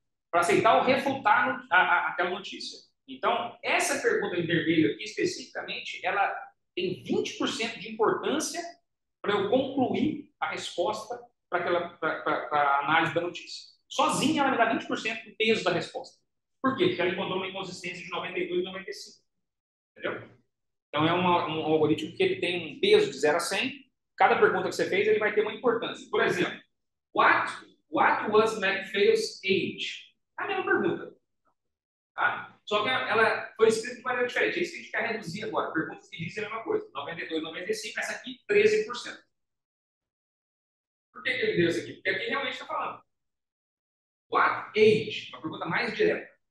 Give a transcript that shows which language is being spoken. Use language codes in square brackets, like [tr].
[pt] Para aceitar ou refutar aquela notícia. Então, essa pergunta em vermelho aqui, especificamente, ela tem 20% de importância para eu concluir a resposta para a análise da notícia. Sozinha, ela me dá 20% do peso da resposta. Por quê? Porque ela encontrou uma inconsistência de 92 e 95. Entendeu? Então, é um algoritmo que ele tem um peso de 0 a 100. Cada pergunta que você fez, ele vai ter uma importância. Por exemplo, [en] what was MacPhail's age? [pt] A mesma pergunta. Tá? Só que ela foi escrita de maneira diferente. É isso que a gente quer reduzir agora. Perguntas que dizem a mesma coisa. 92, 95, essa aqui, 13%. Por que ele deu isso aqui? Porque aqui realmente está falando. [en] What age? [pt] Uma pergunta mais direta.